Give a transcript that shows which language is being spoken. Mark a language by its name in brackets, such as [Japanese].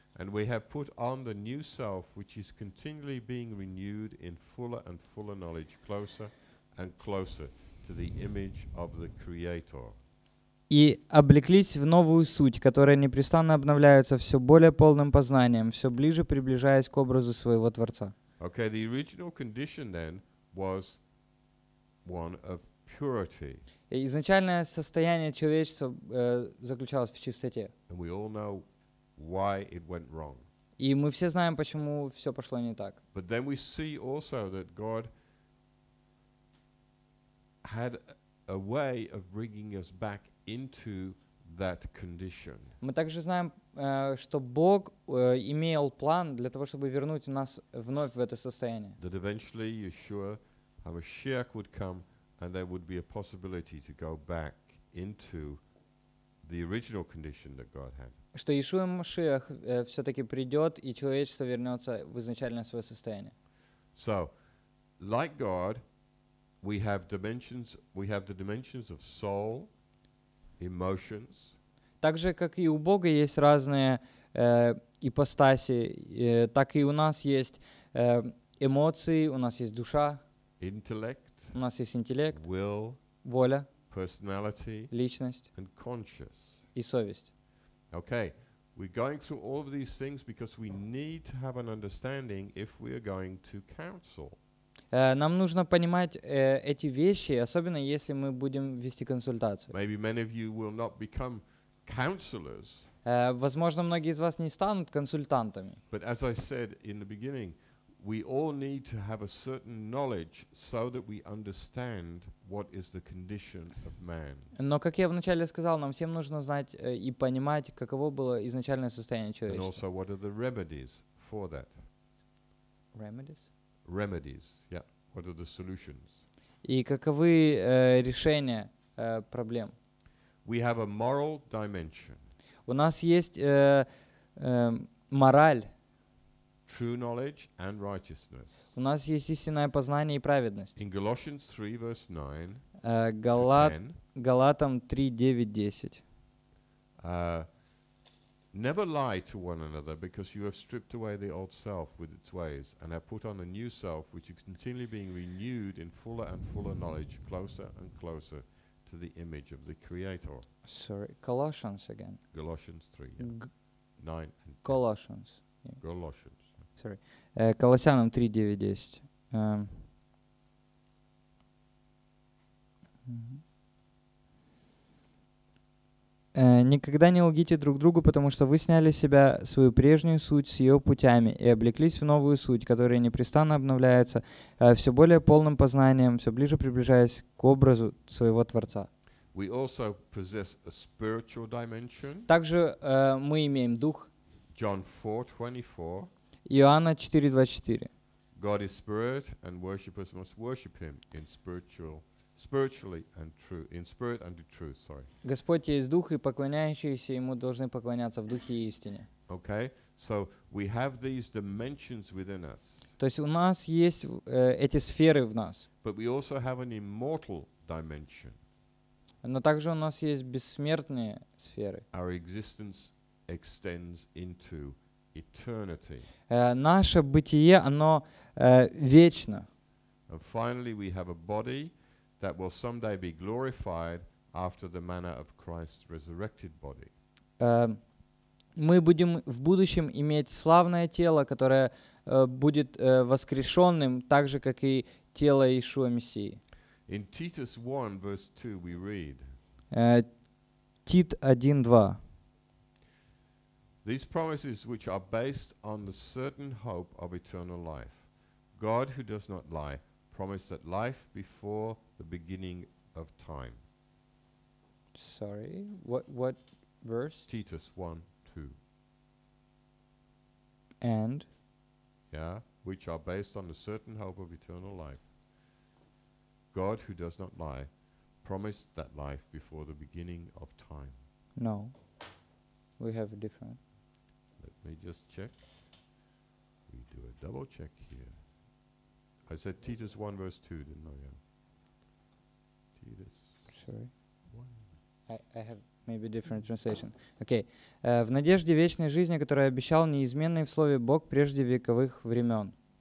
[English] And we have put on the new self, which is continually being renewed in fuller and fuller knowledge, closer and closer to the image of the Creator. [Russian] И облеклись в новую суть, которая непрестанно обновляется все более полным познанием, все ближе приближаясь к образу своего Творца. [English] Okay, the original condition then was one of purity. [Russian] Изначальное состояние человечества заключалось в чистоте. [English] And we all know why it went wrong. [Russian] И мы все знаем, почему все пошло не так. [English] But then we see also that God had a way of bringing us back into that condition. [Russian] Мы также знаем, что Бог имел план для того, чтобы вернуть нас вновь в это состояние. [English] That eventually Yeshua HaMashiach would come and there would be a possibility to go back into the original condition that God had. [Russian] Что Иешуа Машиах все-таки придет, и человечество вернется в изначальное свое состояние. [English] So, like God, we have dimensions, we have the dimensions of soul, emotions. [Russian] Также, как и у Бога есть разные ипостаси, так и у нас есть эмоции, у нас есть душа, [English] intellect, [Russian] у нас есть интеллект, [English] will, [Russian] воля, [English] personality, [Russian] личность [English] and conscience. [Russian] И совесть. [English] Okay, we're going through all of these things because we need to have an understanding if we are going to counsel. [Russian] Нам нужно понимать эти вещи, особенно если мы будем вести консультацию. [English] Maybe many of you will not become counselors. [Russian] Возможно, многие из вас не станут консультантами. [English] But as I said in the beginning, we all need to have a certain knowledge so that we understand what is the condition of man. [Russian] Но, как я вначале сказал, нам всем нужно знать и понимать, каково было изначальное состояние человечества. [English] And also, what are the remedies for that? Remedies? Remedies, yeah. What are the solutions? [Russian] И каковы решения проблем? [English] We have a moral dimension. [Russian] У нас есть мораль. [English] True knowledge and righteousness. [Russian] У нас есть истинное познание и праведность. [English] In Galatians 3, verse 9. [Russian] Галатам 3, 9, 10. [English] Never lie to one another, because you have stripped away the old self with its ways and have put on a new self, which is continually being renewed in fuller and fuller knowledge, closer and closer to the image of the Creator. Sorry, Colossians again. Galatians 3, yeah. 9 and 10. Colossians. Yeah. Colossians. Sorry. [Russian] Колоссянам 3, 9, 10. Никогда не лгите друг другу, потому что вы сняли с себя свою прежнюю суть с ее путями и облеклись в новую суть, которая непрестанно обновляется, все более полным познанием, все ближе приближаясь к образу своего Творца. [English] We also possess a spiritual dimension. [Russian] Также мы имеем дух. [English] John 4, 24. [Russian] Иоанна 4:24. [English] God is spirit, and worshippers must worship him in spiritually and true, in spirit and in truth, sorry. [Russian] Господь есть дух, и поклоняющиеся ему должны поклоняться в духе и истине. [English] Okay, so we have these dimensions within us. [Russian] То есть у нас есть эти сферы в нас. [English] But we also have an immortal dimension. [Russian] Но также у нас есть бессмертные сферы. [English] Our existence extends into eternity. [Russian] Наше бытие, оно вечно. [English] And finally, we have a body that will someday be glorified after the manner of Christ's resurrected body. [Russian] Мы будем в будущем иметь славное тело, которое будет воскрешенным, так же, как и тело Иешуа Мессии. [English] In Titus 1, verse 2, we read. [Russian] Тит 1:2. [English] These promises, which are based on the certain hope of eternal life. God, who does not lie, promised that life before the beginning of time. Sorry, what verse? Titus 1:2. And? Yeah, which are based on the certain hope of eternal life. God, who does not lie, promised that life before the beginning of time. No, we have a different. Let me just check. We do a double check here. I said Titus 1 verse 2, didn't I? Yeah. Titus. Sorry. I have maybe different translation. Okay. [Russian] В надежде вечной жизни, которую обещал неизменный в слове Бог прежде вековых времен.